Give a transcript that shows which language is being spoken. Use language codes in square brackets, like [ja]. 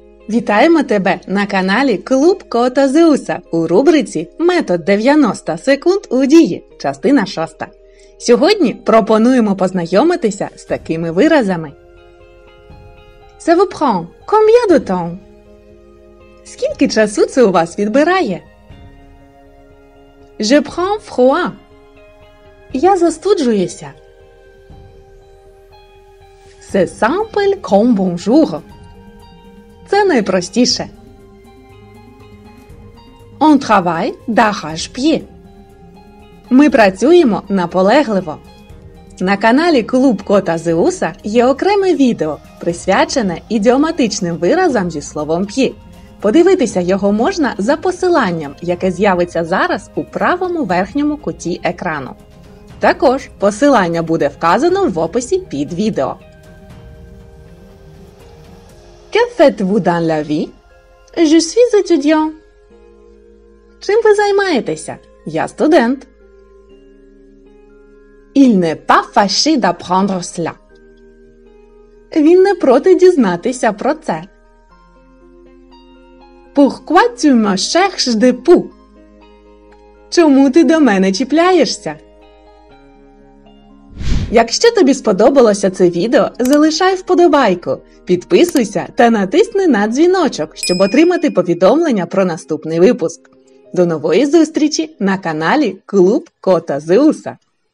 [uk] Вітаємо тебе на каналі Клуб Кота Зеуса у рубриці «Метод 90 секунд у дії», частина 6. Сьогодні пропонуємо познайомитися з такими виразами. [fr] Ça vous prend combien de temps? [uk] Скільки часу це у вас відбирає? [fr] Je prends froid. [uk] Я застуджуюся. [fr] C'est simple comme bonjour. [uk] Це найпростіше. [fr] On travaille d'arrache-pied. [uk] Ми працюємо наполегливо. На каналі Клуб Кота Зеуса є окреме відео, присвячене ідіоматичним виразам зі словом «п'ї». Подивитися його можна за посиланням, яке з'явиться зараз у правому верхньому куті екрану. Також посилання буде вказано в описі під відео. [fr] Que faites-vous dans la vie? Je suis étudiant. [uk] Чим ви займаєтеся? Я студент. [fr] Il n'est pas fâché d'apprendre cela. [uk] Він не проти дізнатися про це. [fr] Pourquoi tu me cherches de pou? [uk] Чому ти до мене чіпляєшся? Якщо тобі сподобалося це відео, залишай вподобайку, підписуйся та натисни на дзвіночок, щоб отримати повідомлення про наступний випуск. До нової зустрічі на каналі Клуб Кота Зеуса!